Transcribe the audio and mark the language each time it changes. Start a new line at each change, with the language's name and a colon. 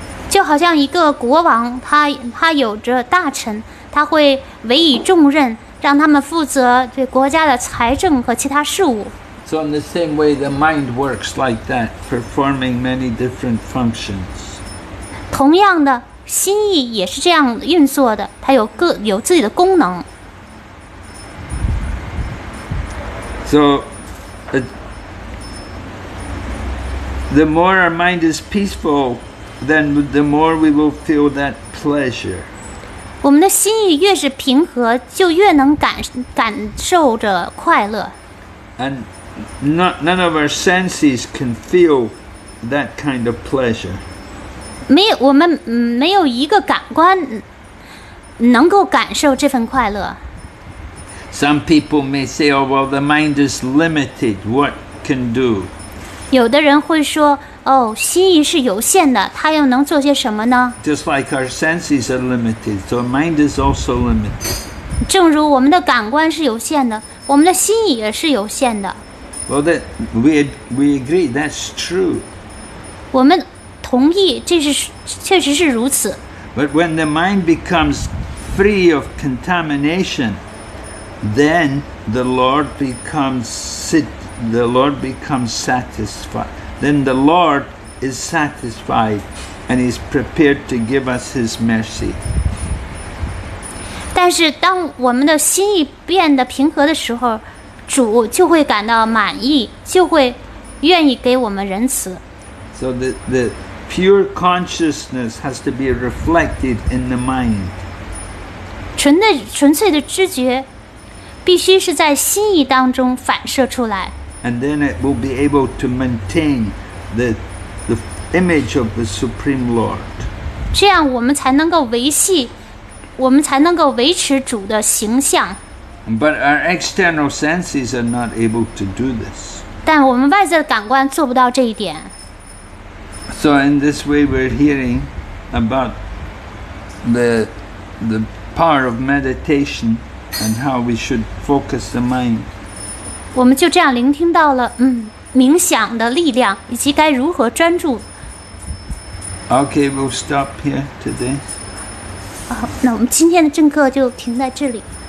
Chinese: 就好像一个国王，他有着大臣，他会委以重任，让他们负责对国家的财政和其他事务。
English: So in the same way, the mind works like that, performing many different functions.
Chinese: 同样的，心意也是这样运作的，它有自己的功能。
English: So, the more our mind is peaceful, then the more we will feel that pleasure.
Chinese: 我们的心意越是平和，就越能感受着快乐。
English: And None of our senses can feel that kind of pleasure.
Chinese: 没有一个感官能够感受这份快乐。
English: Some people may say, "Oh, well, the mind is limited. What can do?"
Chinese: 有的人会说，哦，心意是有限的，它又能做些什么呢？
English: Just like our senses are limited, so mind is also limited.
Chinese: 正如我们的感官是有限的，我们的心意也是有限的。
English: Well, that we agree. That's true.
Chinese: 我们同意，这是确实是如此。
English: But when the mind becomes free of contamination, then the Lord becomes satisfied. Then the Lord is satisfied, and He's prepared to give us His mercy.
Chinese: 但是，当我们的心意变得平和的时候，主就会感到满意，就会愿意给我们仁慈。
English: So the pure consciousness has to be reflected in the mind.
Chinese: 纯粹的知觉必须是在心意当中反射出来。
English: And then it will be able to maintain the image of the Supreme Lord.
Chinese: 这样我们才能够维持主的形象。
English: But our external senses are not able to do this.
Chinese: 但我们外在的感官做不到这一点。
English: So in this way, we're hearing about the power of meditation and how we should focus the mind.
Chinese: 我们就这样聆听到了，冥想的力量以及该如何专注。
English: Okay, we'll stop here today.
Chinese: 好，那我们今天的正课就停在这里。